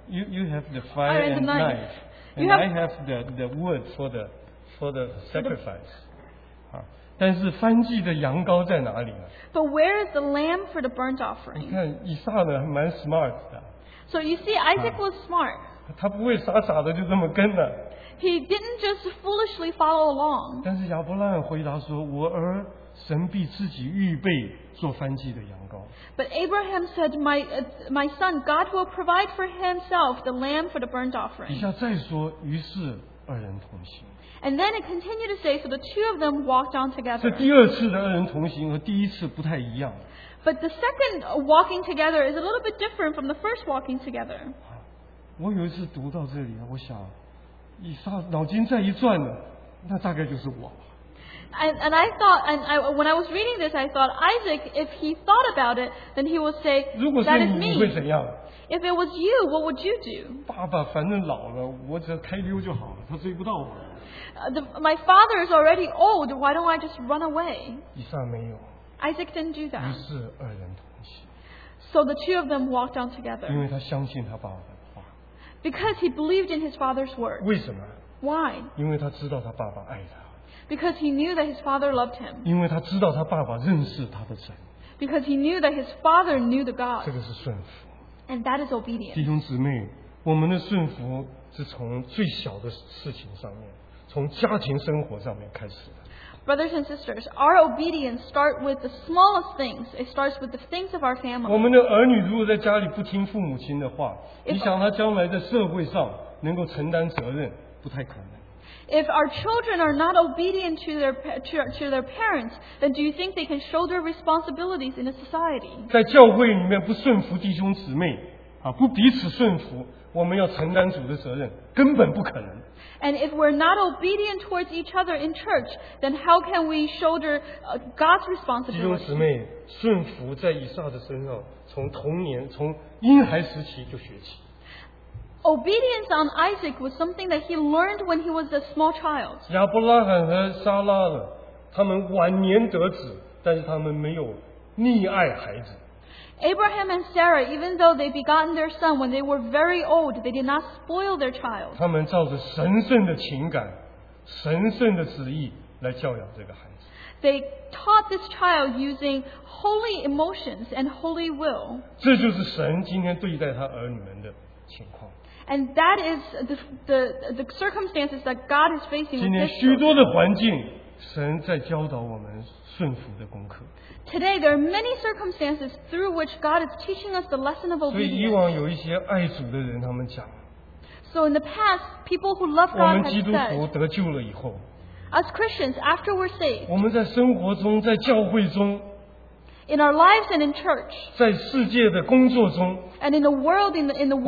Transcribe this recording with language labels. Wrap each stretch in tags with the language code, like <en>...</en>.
<en>You have the fire and the knife. I have the wood for the sacrifice.</en> <zh>但是燔祭的羊羔在哪里?</zh> <en>But where is the lamb for the burnt offering?</en> <zh>你看以撒呢, 蛮 smart 的。</zh> <en>So you see, Isaac was smart.</en> <zh>他不会傻傻的就这么跟了。</zh> <en>He didn't just foolishly follow along.</en> <zh>但是亚伯拉罕回答说, 我儿, 神必自己预备做燔祭的羊羔。</zh> <en>But Abraham said, my son, God will provide for himself the lamb for the burnt offering.</en> <zh>底下再说, 于是二人同行。</zh> <en>And then it continued to say, so the two of them walked on together.</en> <zh>这第二次的二人同行和第一次不太一样。</zh> <en>But the second walking together is a little bit different from the first walking together.</en> <zh>我有一次读到这里, 我想, 以撒脑筋再一转呢, 那大概就是我。</zh> <en>And when I was reading this, I thought, Isaac, if he thought about it, then he would say, that is me.</en> <zh>你会怎样?</zh> <en>If it was you, what would you do?</en> <zh>爸爸反正老了, 我只要开溜就好了, 他追不到我。</zh> <en>My father is already old, why don't I just run away?</en> <zh>以撒没有。</zh> <en>Isaac didn't do that.</en> <zh>于是二人同行。</zh> <en>So the two of them walked on together.</en> <zh>因为他相信他爸爸。</zh> <en>Because he believed in his father's word.</en> <zh>为什么?</zh> <en>Why?</en> <zh>因为他知道他爸爸爱他。</zh> <en>Because he knew that his father loved him.</en> <zh>因为他知道他爸爸认识他的神。</zh> <en>Because he knew that his father knew the God.</en> <zh>这个是顺服。</zh> <en>And that is obedience.</en> <zh>弟兄姊妹, 我们的顺服是从最小的事情上面, 从家庭生活上面开始。</zh> <en>Brothers and sisters, our obedience starts with the smallest things. It starts with the things of our family.</en> <zh>我们的儿女如果在家里不听父母亲的话, 你想他将来在社会上能够承担责任,不太可能。</zh> <en>If our children are not obedient to their parents, then do you think they can shoulder responsibilities in a society?</en> <zh>在教会里面不顺服弟兄姊妹, 啊, 不彼此顺服, 我们要承担主的责任，根本不可能。</zh> <en>And if we're not obedient towards each other in church, then how can we shoulder God's responsibility?</en> <zh>弟兄姊妹，顺服在以撒的身上，从童年，从婴孩时期就学起。</zh> <en>Obedience on Isaac was something that he learned when he was a small child.</en> <zh>亚伯拉罕和撒拉呢，他们晚年得子，但是他们没有溺爱孩子。</zh> <en>Abraham and Sarah, even though they begotten their son when they were very old, they did not spoil their child.</en> <zh>他们照着神圣的情感，神圣的旨意来教养这个孩子。</zh> <en>They taught this child using holy emotions and holy will.</en> <zh>这就是神今天对待他儿女们的情况。</zh> <en>And that is the circumstances that God is facing.</en> <zh>今天许多的环境，神在教导我们顺服的功课。</zh> <en>Today, there are many circumstances through which God is teaching us the lesson of obedience.</en> <zh>所以以往有一些爱主的人，他们讲。</zh> <en>So in the past, people who love God have said.</en> <zh>我们基督徒得救了以后。</zh> <en>As Christians, after we're saved.</en> <zh>我们在生活中，在教会中。</zh> <en>In our lives and in church.</en> <zh>在世界的工作中。</zh> <en>And in the world, in the work.</en>